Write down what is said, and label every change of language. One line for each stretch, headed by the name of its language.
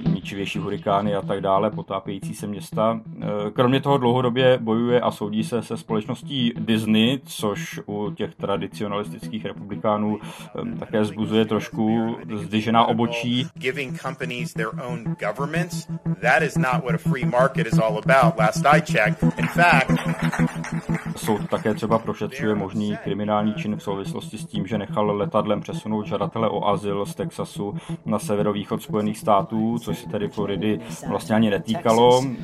Czech: Větší hurikány a tak dále, potápějící se města. Kromě toho dlouhodobě bojuje a soudí se společností Disney, což u těch tradicionalistických republikánů také zbuzuje trošku zdvižená obočí.
English: Giving companies their own governments, that is not what a free market is all about, last I checked. In fact...
Czech: Soud také třeba prošetřuje možný kriminální čin v souvislosti s tím, že nechal letadlem přesunout žadatele o azyl z Texasu na severovýchod Spojených států, což se tedy Floridy vlastně ani netýkalo.